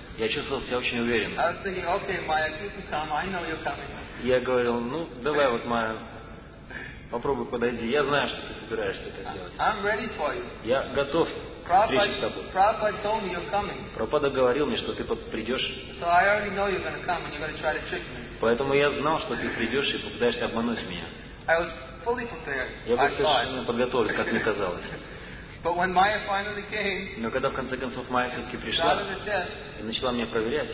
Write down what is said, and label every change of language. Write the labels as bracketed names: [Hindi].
[Russian] Я чувствовал себя очень уверенно. [English] Okay, [Russian] я говорил, ну давай вот, Майя, Попробуй подойди. Я знаю, что ты собираешься это сделать. [English] I'm ready for you. [Russian] Я готов встретиться с тобой. [English] Prabhupada told me you're coming. [Russian] Прабхупада говорил мне, что ты придешь. [English] So I already know you're going to come and you're going to try to trick me. [Russian] Поэтому я знал, что ты придешь и попытаешься обмануть меня. [English] I was fully prepared. [Russian] Я был совершенно подготовлен, как мне казалось. [English] But when Maya finally came, [Russian] но когда в конце концов Майя все-таки пришла и начала меня проверять,